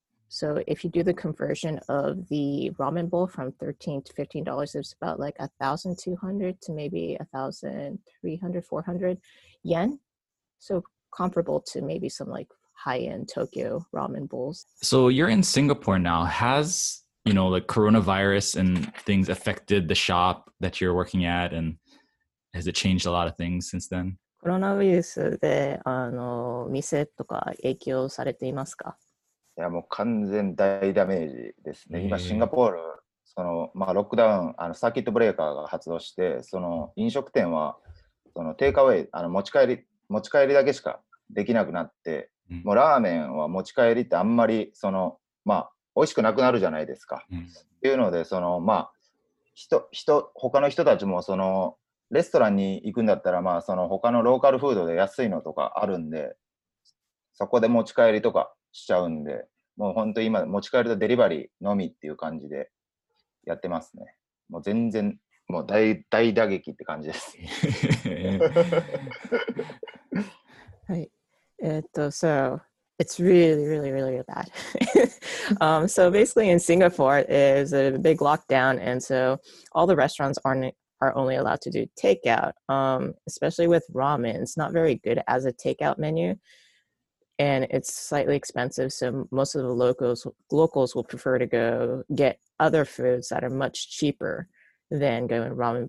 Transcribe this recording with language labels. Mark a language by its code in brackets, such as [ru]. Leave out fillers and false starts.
[en] So if you do the conversion of the ramen bowl from $13 to $15, it's about like $1,200 to maybe $1,300-$1,400 yen. So comparable to maybe some like high-end Tokyo ramen bowls. So you're in Singapore now. Has, you know, the coronavirus and things affected the shop that you're working at? And has it changed a lot of things since then? [ja] コロナウイルスで、あの、店とか影響されていますか？いや、もう完全大ダメージですね。今シンガポール、その、まあ、ロックダウン、あの、サーキットブレーカーが発動して、その飲食店は、そのテイクアウェイ、あの、持ち帰りだけしかできなくなって、もうラーメンは持ち帰りってあんまり、その、まあ、美味しくなくなるじゃないですか。っていうので、その、まあ、他の人たちも、その、レストランに行くんだったら、まあ、その他のローカルフードで安いのとかあるんで、そこで持ち帰りとかしちゃうんで、もう本当に今、持ち帰りとデリバリーのみっていう感じでやってますね。もう全然、もう大打撃って感じです。はい。 [en] So, it's really, really, really bad. So basically in Singapore, it's a big lockdown, and so all the restaurants are only allowed to do takeout, especially with ramen. It's not very good as a takeout menu, and it's slightly expensive, so most of the locals will prefer to go get other foods that are much cheaper than going ramen.